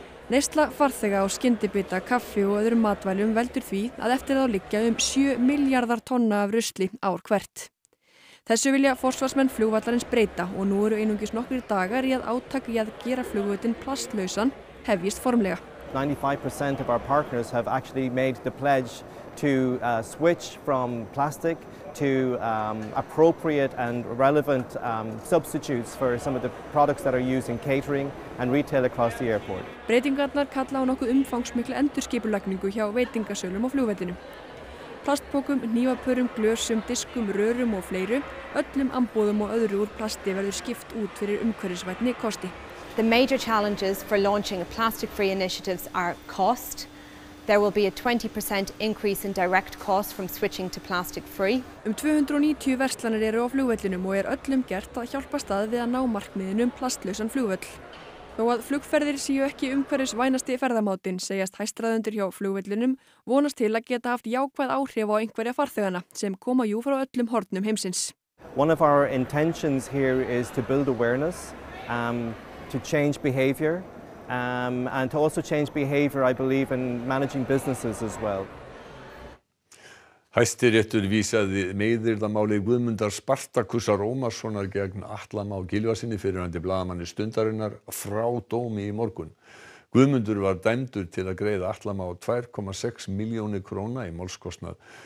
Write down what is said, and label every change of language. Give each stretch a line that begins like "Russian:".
Icelandic: Neysla farþega á skyndibita, kaffi og öðrum matvælum veldur því að eftir þá liggja 7 miljardar tonna af rusli ár hvert. Þessu vilja forsvarsmenn flugvallarins breyta og nú eru einungis nokkrir dagar í að átak í að gera flugvöllin plastlausan hefjist formlega.
English: 95% of our partners have actually made the pledge to switch from plastic to appropriate and relevant substitutes for some of the products that are used in catering and retail across the airport.
Icelandic: Breytingarnar kalla á nokkuð umfangsmikla endurskipulagningu hjá veitingasölum og flugvellinum. Plastpokum, hnífapörum, glösum, diskum, rörum og fleiru, öllum ambóðum og öðru úr plasti verður skipt út fyrir umhverfisvænni kosti.
English: The major challenges for launching plastic-free initiatives are cost. There will be a 20% increase in direct cost from switching to plastic-free.
Icelandic: 290 verslanir eru á flugvellinum og öllum gert að hjálpa stað við að ná markmiðinu plastlausan flugvöll. Þó að flugferðir séu ekki umhverfisvænasti ferðamátinn, segjast hæstráðendur hjá flugvellinum, vonast til að geta haft jákvæð áhrif á einhverja farþegana sem koma jú frá öllum hornum heimsins.
English: One of our intentions here is to build awareness, to change behavior, and to also change behavior, I believe, in managing businesses as well.
Icelandic: Hæstiréttur vísaði meiðyrðamáli Guðmundar Spartakusar Rómarssonar gegn Atla Má Gylfasyni fyrirrandi blaðamanni Stundarinnar frá dómi í morgun. Guðmundur var dæmdur til að greiða Atla Má 2,6 milljónir króna í málskostnað.